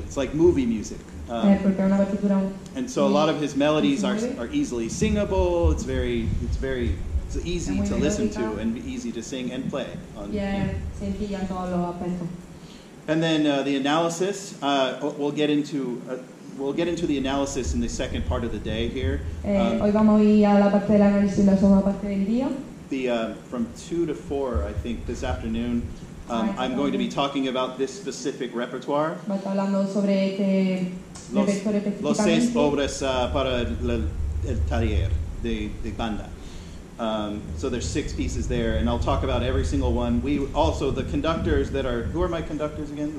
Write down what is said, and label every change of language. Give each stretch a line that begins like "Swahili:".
English: It's like movie music. And so a lot of his melodies are easily singable. It's easy to listen to and easy to sing and play. And then the analysis, we'll get into we'll get into the analysis in the second part of the day here.
Spanish: Hoy vamos a ir a la parte del análisis en la segunda parte del día.
English: From 2 to 4, I think, this afternoon, I'm going to be talking about this specific repertoire.
Spanish: Va a estar hablando sobre este repertorio específicamente. Los 6 obras para el taller de banda.
English: So there's 6 pieces there, and I'll talk about every single one. We also, the conductors that are, who are my conductors again?